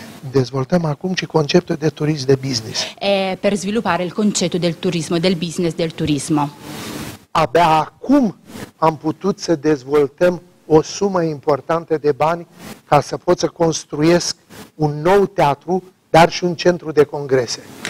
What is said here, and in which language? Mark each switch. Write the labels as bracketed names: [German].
[Romanian] Dezvoltăm acum și conceptul de turism de business. [Italian] Per sviluppare il concetto del turismo, del business del turismo. [Romanian] Abia acum am putut să dezvoltăm o sumă importantă de bani ca să pot să construiesc un nou teatru, dar și un centru de congrese.